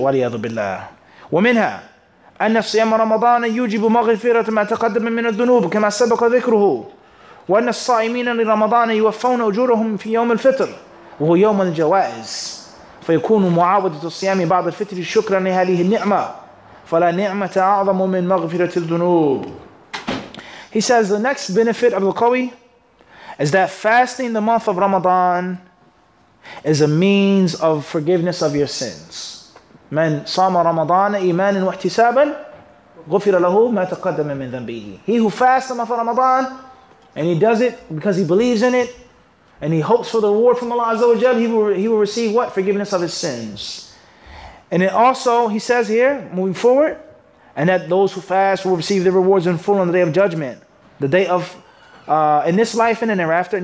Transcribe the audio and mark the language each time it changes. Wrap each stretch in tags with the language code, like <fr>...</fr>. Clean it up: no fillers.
<ar>وَلِيَذُ بِاللَّهِ وَمِنْهَا أَنَّ صِيَامَ رَمَضَانَ يُجِبُ مَغْفِرَةَ مَا تَقَدَّمَ مِنَ الذُّنُوبِ كَمَا سَبَقَ ذِكْرُهُ وَأَنَّ الصَّائِمِينَ لِرَمَضَانَ يُوَفَّوْنَ أُجُورَهُمْ فِي يَوْمِ الْفِطْرِ وَهُوَ يَوْمُ الْجَوَائِزِ فَيَكُونُ مُعَاوِدَةُ الصِّيَامِ بَعْدَ الْفِطْرِ شُكْرًا لِهَذِهِ النِّعْمَةِ فَلَا نِعْمَةَ أَعْظَمُ مِنْ مَغْفِرَةِ الذُّنُوبِ.</ar> <en>He says the next benefit of the Qawi is that fasting the month of Ramadan is a means of forgiveness of your sins.</en> <ar>من صام رمضان إيمانا واحتسابا غفر له ما تقدم من ذنبه.</ar> <en>He who fasts the month of Ramadan and he does it because he believes in it and he hopes for the reward from Allah Azza wa Jal, he will receive what? Forgiveness of his sins. And it also, he says here, moving forward, and that those who fast will receive their rewards in full on the day of judgment, the day of in this life and in the hereafter.</en>